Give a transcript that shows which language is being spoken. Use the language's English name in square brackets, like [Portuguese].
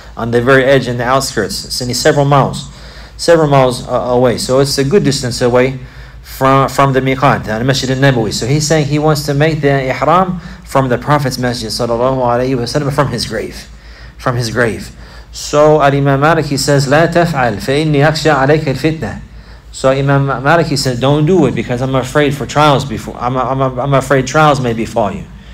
[English] On the very edge in the outskirts, it's several miles away. So it's a good distance away from the miqat, the Masjid al-Nabawi. So he's saying he wants to make the ihram from the Prophet's Masjid sallallahu alayhi wa sallam, from his grave. So Imam Malik, he says, [Arabic] لَا تَفْعَلْ فَإِنِّي أَخْشَى عَلَيْكَ الْفِتْنَةِ. [English] So Imam Malik, he said, don't do it because I'm afraid for trials before. I'm afraid trials may befall you.